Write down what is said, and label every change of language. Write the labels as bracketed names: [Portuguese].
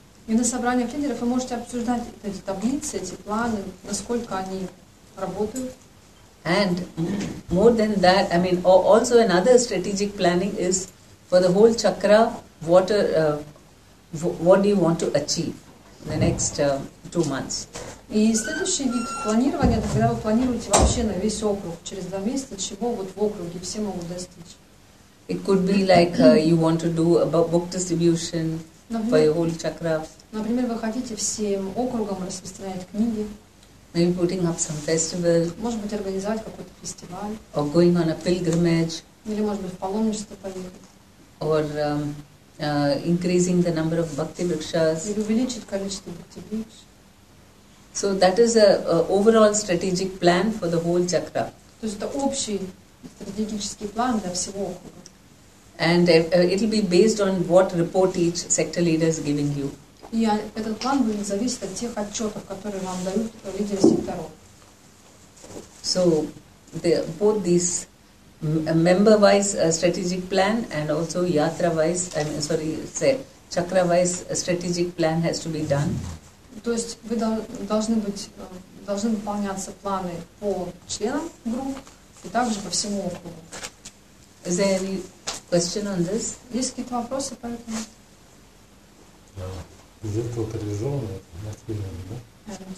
[Russian] И на собраниях лидеров вы можете обсуждать эти таблицы, эти планы, насколько они работают. [English] And more than that, I mean, also another strategic planning is for the whole chakra, what do you want to achieve in the next two months? [Russian] И следующий вид планирования, это когда вы планируете вообще на весь округ, через два месяца, чего вот в округе все могут достичь. [English] It could be like you want to do a book distribution for your whole chakra. [Russian] Например, вы хотите всем округом распространять книги. [English] Maybe putting up some festival. [Russian] Может быть, организовать какой-то фестиваль. [English] Or going on a pilgrimage. [Russian] Или, может быть, в паломничество поехать. [English] Or increasing the number of bhakti rikshas. [Russian] Или увеличить количество bhakti riksh. [English] So that is an overall strategic plan for the whole chakra. [Russian] То есть это общий стратегический план для всего округа. [English] And it will be based on what report each sector leader is giving you. [Russian] И этот план будет зависеть от тех отчетов, которые вам дают лидеры секторов. [English] So, both these member-wise strategic plan and also yatra-wise, chakra-wise strategic plan has to be done. [Russian] То есть вы должны выполняться планы по членам групп и также по всему округу. [English] Is there any question on this? [Russian] Есть какие-то вопросы по этому? Из этого подвижного мастерами, да?